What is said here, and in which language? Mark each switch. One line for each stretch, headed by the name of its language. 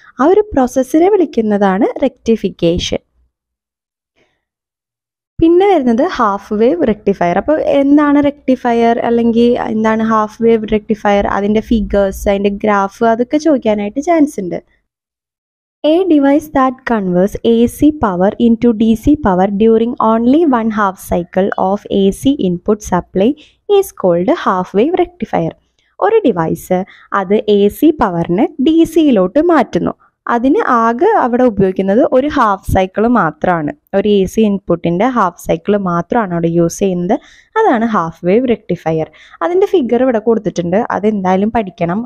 Malayalam: ആ ഒരു പ്രോസസ്സിനെ വിളിക്കുന്നതാണ് റെക്ടിഫിക്കേഷൻ. പിന്നെ വരുന്നത് ഹാഫ് വേവ് റെക്ടിഫയർ. അപ്പോൾ എന്താണ് റെക്ടിഫയർ, അല്ലെങ്കിൽ എന്താണ് ഹാഫ് വേവ് റെക്ടിഫയർ, അതിൻ്റെ ഫിഗേഴ്സ്, അതിൻ്റെ ഗ്രാഫ്, അതൊക്കെ ചോദിക്കാനായിട്ട് ചാൻസ് ഉണ്ട്.
English: A device that converts AC power into DC power during only one half cycle of AC input supply is called half wave rectifier.
Malayalam: ഒരു device അത് A C പവറിന് D സിയിലോട്ട് മാറ്റുന്നു, അതിന് ആകെ അവിടെ ഉപയോഗിക്കുന്നത് ഒരു ഹാഫ് സൈക്കിള് മാത്രമാണ്. ഒരു എ സി ഇൻപുട്ടിൻ്റെ ഹാഫ് സൈക്കിള് മാത്രമാണ് അവിടെ യൂസ് ചെയ്യുന്നത്. അതാണ് ഹാഫ് വേവ് റെക്ടിഫയർ. അതിൻ്റെ ഫിഗർ ഇവിടെ കൊടുത്തിട്ടുണ്ട്, അത് എന്തായാലും പഠിക്കണം.